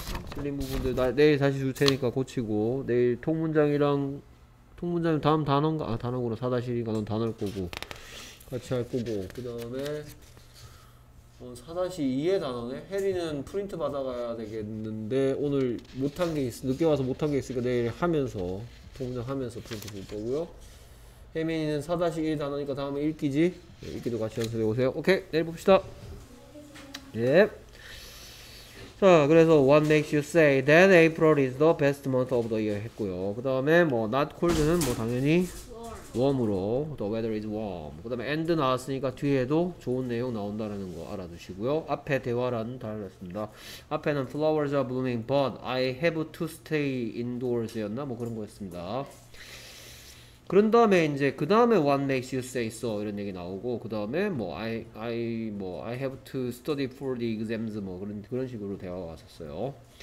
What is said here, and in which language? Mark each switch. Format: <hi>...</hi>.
<ko>틀린 부분들 내일 다시 줄 테니까 고치고 내일 통문장이랑 통문장 다음 단어가 아 단어구나 4-1이니까 넌 단어일 거고 같이 할 거고 그다음에 4-2의 단어네. 해리는 프린트 받아가야 되겠는데 오늘 못한 게 늦게 와서 못한 게 있으니까 내일 하면서 통장 하면서 프린트 볼 거고요. 혜민이는 4-1 단어니까 다음에 읽기지. 네, 읽기도 같이 연습해 보세요. 오케이 내일 봅시다. 예. 자 그래서</ko> <en>What makes you say that April is the best month of the year</en> <ko>했고요. 그 다음에 뭐 not cold는 뭐 당연히 warm으로</ko> <en>the weather is warm.</en> <ko>그 다음에 end 나왔으니까 뒤에도 좋은 내용 나온다라는 거 알아두시고요. 앞에 대화란 달랐습니다. 앞에는</ko> <en>flowers are blooming but I have to stay indoors</en> <ko>였나 뭐 그런 거였습니다. 그런 다음에 이제 그 다음에</ko> <en>what makes you say so</en> <ko>이런 얘기 나오고 그 다음에 뭐</ko> <en>I have to study for the exams</en> <ko>뭐 그런 식으로 대화가 왔었어요.</ko>